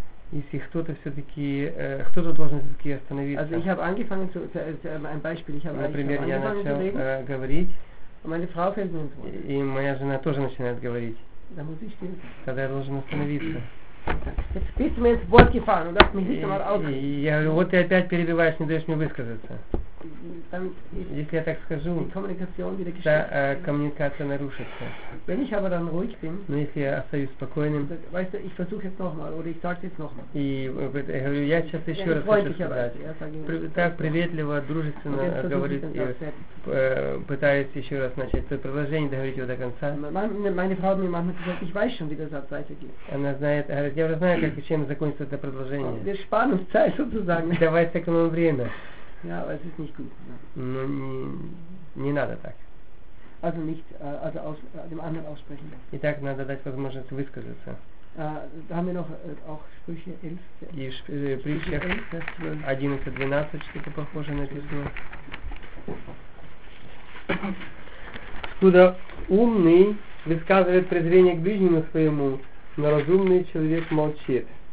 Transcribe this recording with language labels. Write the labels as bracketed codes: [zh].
[ru] Если кто-то все-таки, кто-то должен все-таки остановиться. [de] Also ich habe angefangen zu, ein Beispiel, ich habe [ru] например, [de] ich habe [ru] я начал [de] reden, [ru] говорить, [de] meine Frau fängt mir ins Wort. [ru] И моя жена тоже начинает говорить. [de] Dann muss ich still sein. [ru] Тогда я должен остановиться. [de] Jetzt bist du mir ins Wort gefahren, und lass mich nicht einmal ausreden. [ru] Я говорю, вот ты опять перебиваешь, не даешь мне высказаться. Если я так скажу, коммуникация нарушится. [de] Wenn ich aber dann ruhig bin, [ru] но если я остаюсь спокойным, [de] weißt du, ich versuche jetzt nochmal, oder ich sage jetzt nochmal. [ru] И я говорю, я сейчас еще ja, раз хочу сказать. Так приветливо, дружественно говорить, пытаюсь еще раз начать это предложение, договорить его до конца. [de] Meine Frau mir manchmal gesagt, ich weiß schon, wie der Satz weitergeht. [ru] Она знает, говорит, я уже знаю, как чем закончится это предложение. [de] Wir sparen uns Zeit sozusagen. [ru] Давай сэкономим время. [de] Ja, aber es ist nicht gut. Ja. [ru] Ну, не надо так. [de] Also nicht, also aus, dem anderen aussprechen. [ru] Итак, надо дать возможность высказаться. [de] Da haben wir noch auch Sprüche 11. [ru] И Sprüche 11-12, что-то похоже написано. Откуда умный высказывает презрение к ближнему своему, но разумный человек молчит.